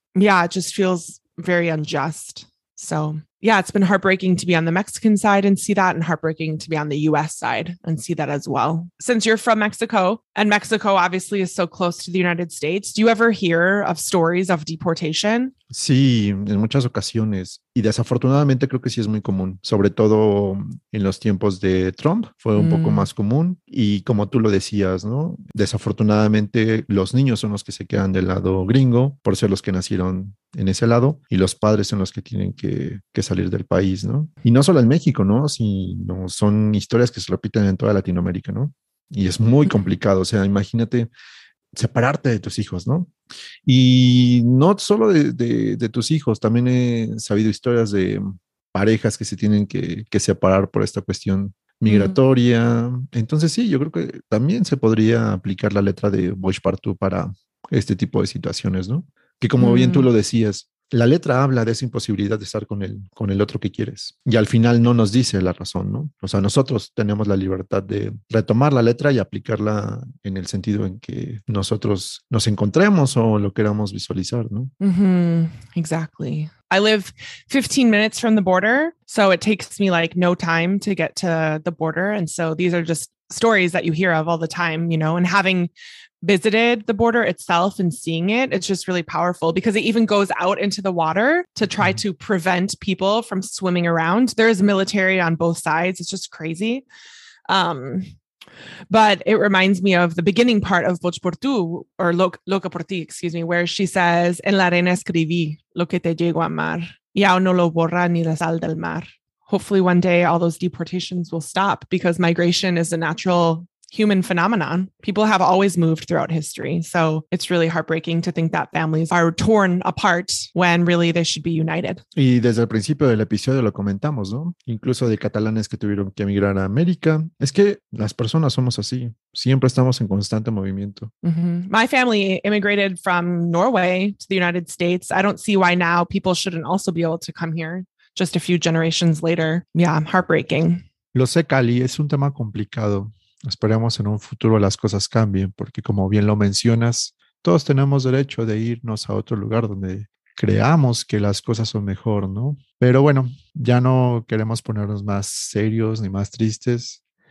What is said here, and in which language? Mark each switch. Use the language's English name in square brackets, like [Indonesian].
[English] Yeah, it just feels very unjust. So yeah, it's been heartbreaking to be on the Mexican side and see that, and heartbreaking to be on the US side and see that as well. Since you're from Mexico, and Mexico obviously is so close to the United States, do you ever hear of stories of deportation? [Spanish] Sí, en muchas ocasiones. Y desafortunadamente creo que sí es muy común, sobre todo en los tiempos de Trump, fue un poco más común. Y como tú lo decías, ¿no? Desafortunadamente los niños son los que se quedan del lado gringo, por ser los que nacieron en ese lado, y los padres son los que tienen que salir del país, ¿no? Y no solo en México, ¿no? Sino son historias que se repiten en toda Latinoamérica, ¿no? Y es muy complicado, o sea, imagínate separarte de tus hijos, ¿no? Y no solo de tus hijos, también he sabido historias de parejas que se tienen que separar por esta cuestión migratoria. Entonces sí, yo creo que también se podría aplicar la letra de Voice Part 2 para este tipo de situaciones, ¿no? Que como bien tú lo decías, la letra habla de esa imposibilidad de estar con el otro que quieres. Y al final no nos dice la razón, ¿no? O sea, nosotros tenemos la libertad de retomar la letra y aplicarla en el sentido en que nosotros nos encontremos o lo queramos visualizar, ¿no? [English] Mm-hmm. Exactly. I live 15 minutes from the border, so it takes me like no time to get to the border. And so these are just stories that you hear of all the time, you know, and having visited the border itself and seeing it, it's just really powerful because it even goes out into the water to try to prevent people from swimming around. There's military on both sides. It's just crazy. But it reminds me of the beginning part of Voz por Tu, or Loca por Ti, excuse me, where she says, [Spanish] en la arena escribí lo que te llegó a amar. Ya no lo borra ni la sal del mar. [English] Hopefully one day all those deportations will stop, because migration is a natural human phenomenon. People have always moved throughout history. So it's really heartbreaking to think that families are torn apart when really they should be united. [Spanish] Y desde el principio del episodio lo comentamos, ¿no? Incluso de catalanes que tuvieron que emigrar a América. Es que las personas somos así. Siempre estamos en constante movimiento. Mm-hmm. [English] My family immigrated from Norway to the United States. I don't see why now people shouldn't also be able to come here just a few generations later. Yeah, heartbreaking. [Spanish] Lo sé, Cali, es un tema complicado. Esperemos en un futuro las cosas cambien, porque como bien lo mencionas, todos tenemos derecho de irnos a otro lugar donde creamos que las cosas son mejor, ¿no? Pero bueno, ya no queremos ponernos más serios ni más tristes.